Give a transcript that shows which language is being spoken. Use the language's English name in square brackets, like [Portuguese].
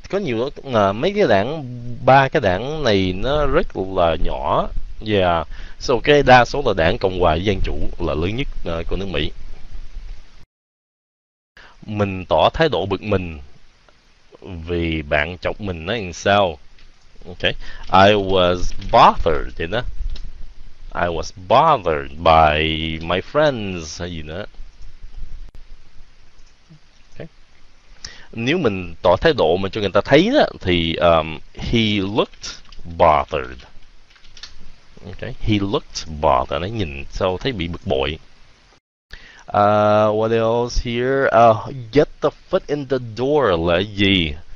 [Vietnamese] Có nhiều lắm, mấy cái đảng, ba cái đảng này nó rất là nhỏ. [English] Yeah, so okay, [Vietnamese] đa số là đảng Cộng Hòa Dân Chủ là lớn nhất của nước Mỹ. Mình tỏ thái độ bực mình vì bạn chọc mình nói sao. [English] Okay, I was bothered, you know? I was bothered by my friends, you know? Okay. [Vietnamese] Nếu mình tỏ thái độ mà cho người ta thấy đó, thì [English] he looked bothered. Okay, he looked bothered. [Vietnamese] Nó nhìn sao thấy bị bực bội. [English] What else here? Get the foot in the door [Vietnamese] là gì?